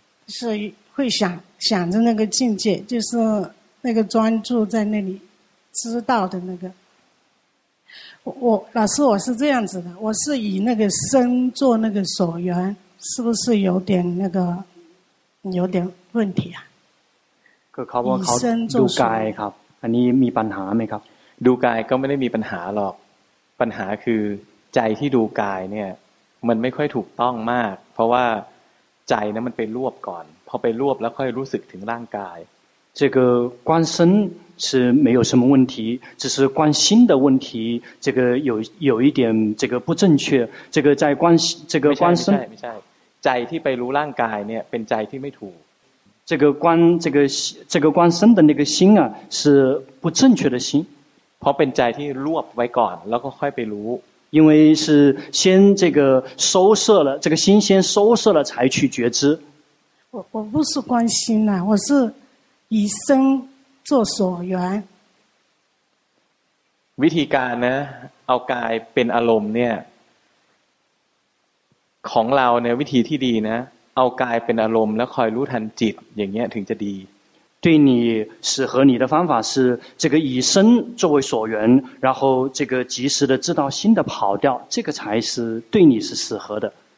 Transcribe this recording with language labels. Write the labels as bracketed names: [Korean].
[Chinese] 是会想想着那个境界就是那个专注在那里知道的那个我老师我是这样子的我是以那个身做那个所缘是不是有点那个有点问题啊 [Thai] อเขาบอกเขาดูกายครับอันนี้มีปัญหาไหมครับ ดูกายก็ไม่ได้มีปัญหาหรอกปัญหาคือใจที่ดูกายเนี่ยมันไม่ค่อยถูกต้องมากเพราะว่าใจนั้นมันไปรวบก่อนพอไปรวบแล้วค่อยรู้สึกถึงร่างกาย [Chinese] 这个观身是没有什么问题，只是观心的问题，这个有一点这个不正确。这个在观这个观身， [Thai] ใจที่ไปรู้ร่างกายเนี่ยเป็นใจที่ไม่ถูก。 [Chinese] 这个观这个这个观身的那个心啊，是不正确的心。 [Thai] เพราะเป็นใจที่รวบไว้ก่อนแล้วก็ค่อยไปรู้。 [Chinese] 因为是先这个收摄了，这个心先收摄了才去觉知。我不是观心呐，我是。以身作所缘 [Thai] วิธีการนะเอากายเป็นอารมณ์เนี่ยของเราเนี่ยวิธีที่ดีนะเอากายเป็นอารมณ์แล้วคอยรู้ทันจิตอย่างเงี้ยถึงจะดี [Chinese] 对你适合你的方法是这个以身作为所缘然后这个及时的知道心的跑掉这个才是对你是适合的